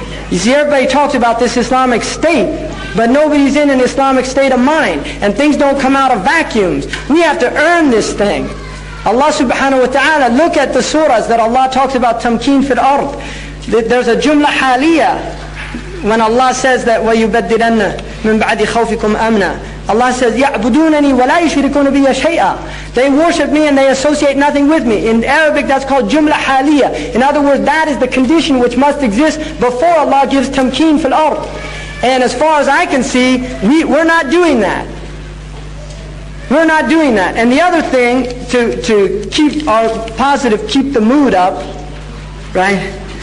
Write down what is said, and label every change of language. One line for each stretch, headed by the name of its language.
English: You see, everybody talks about this Islamic state, but nobody's in an Islamic state of mind, and things don't come out of vacuums. We have to earn this thing. Allah subhanahu wa ta'ala, look at the surahs that Allah talks about, tamkeen fil ard. There's a jumla haliya when Allah says that,
Arabic: وَيُبَدِّلَنَّ مِن بَعْدِ خَوْفِكُمْ أَمْنًا.
English: Allah says,
Arabic: يَعْبُدُونَنِي وَلَا يُشْرِكُونَ بِيَ شَيْئًا.
English: They worship me and they associate nothing with me. In Arabic, that's called jumla haliya. In other words, that is the condition which must exist before Allah gives tamkeen fil ard. And as far as I can see, we're not doing that. We're not doing that. And the other thing, to keep our positive, keep the mood up, right?